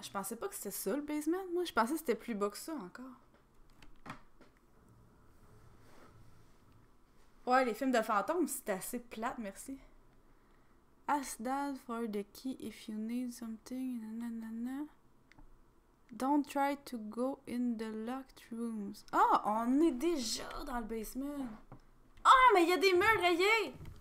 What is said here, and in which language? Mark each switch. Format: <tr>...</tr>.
<fr>Je pensais pas que c'était ça le basement. Moi, je pensais que c'était plus bas que ça encore. Ouais, les films de fantômes, c'est assez plate, merci.</fr> <en>Ask dad for the key if you need something. Nanana. Don't try to go in the locked rooms.</en> <fr>Oh, on est déjà dans le basement. Oh, mais il y a des murs rayés.</fr>